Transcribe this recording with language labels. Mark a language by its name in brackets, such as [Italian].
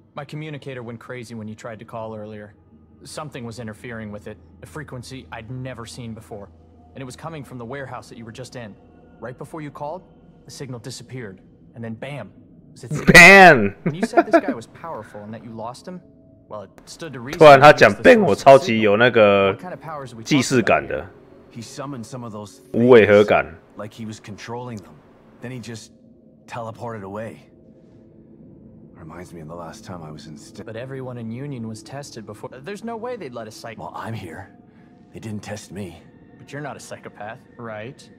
[English] My communicator went crazy when you tried to call earlier. Something was interfering with it, a frequency I'd never seen before. And it was coming from the warehouse that you were just in. Right before you called, the signal disappeared. And then bam! Bam! When you said this guy was powerful and that you lost him, well, it stood to reason. [Chinese] 突然他讲 bam， 我超级有那个既视感的。 [English] He summoned some of those [Chinese] 无违和感。 [English] Like he was controlling them. Then he just teleported away. Reminds me of the last time I was in But everyone in Union was tested before. There's no way they'd let a psych- Well, I'm here. They didn't test me. But you're not a psychopath, right?